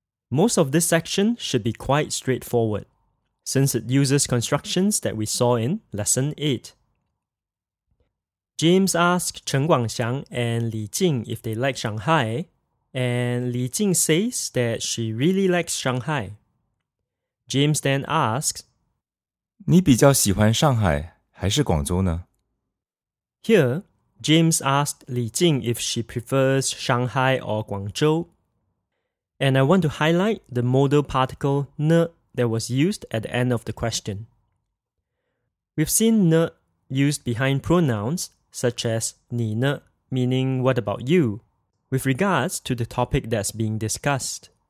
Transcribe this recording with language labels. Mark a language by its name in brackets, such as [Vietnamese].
[English] Most of this section should be quite straightforward, since it uses constructions that we saw in Lesson 8. James asks 陈广祥 and 李静 if they like Shanghai, and 李静 says that she really likes Shanghai. James then asks, [Chinese] 你比较喜欢上海还是广州呢? [English] Here, James asked 李静 if she prefers Shanghai or 广州, and I want to highlight the modal particle 呢 that was used at the end of the question. We've seen 呢 used behind pronouns such as [Chinese] 你呢 [English] meaning what about you, with regards to the topic that's being discussed.